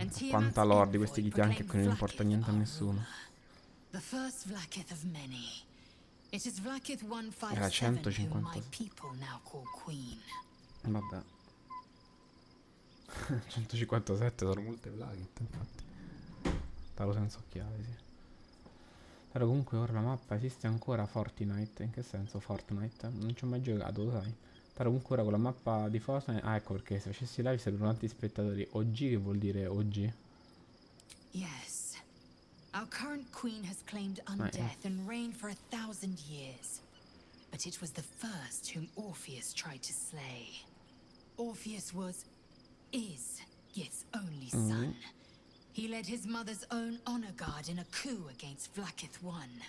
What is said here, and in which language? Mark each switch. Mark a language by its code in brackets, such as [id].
[it] Quanta lore di questi Githyanki che non importa niente a nessuno. [en] The first Vlakith of many. It is Vlakith 157 whom my people now call queen. [it] Vabbè. 157 sono molte Vlakith, infatti. Parlo senza occhiali, sì. Però comunque ora la mappa esiste ancora. Fortnite? In che senso Fortnite? Non ci ho mai giocato, lo sai. Però comunque ora con la mappa di Fortnite... Ah, ecco, perché se facessi live sarebbero tanti spettatori. OG che vuol dire OG? [en] Yes. Our current queen has claimed undeath and reigned for 1,000 years. But it was the first whom Orpheus tried to slay. Orpheus was... is Gith's only son. He led his mother's own honor guard in a coup against Vlakith I.